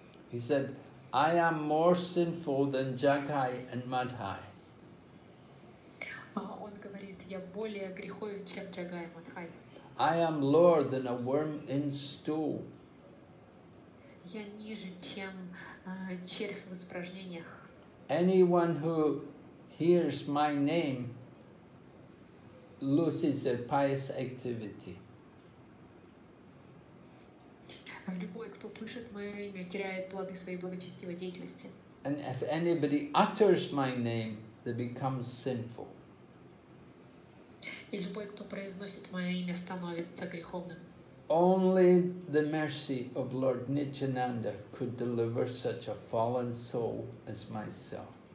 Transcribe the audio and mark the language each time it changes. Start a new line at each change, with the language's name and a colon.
English: He said, I am more sinful than Jagai and Madhai.
Russian: Он говорит, я более греховен, чем Jagai и Madhai.
English: I am lower than a worm in stool.
Russian: Я ниже, чем червь в испражнениях.
English: Anyone who hears my name loses their pious activity.
Russian: Любой, кто слышит мое имя, теряет плоды своей благочестивой деятельности.
English: And if anybody utters my name, they become sinful.
Russian: И любой, кто произносит мое имя, становится греховным.
English: Only the mercy of Lord Nityananda could deliver such a fallen soul as myself.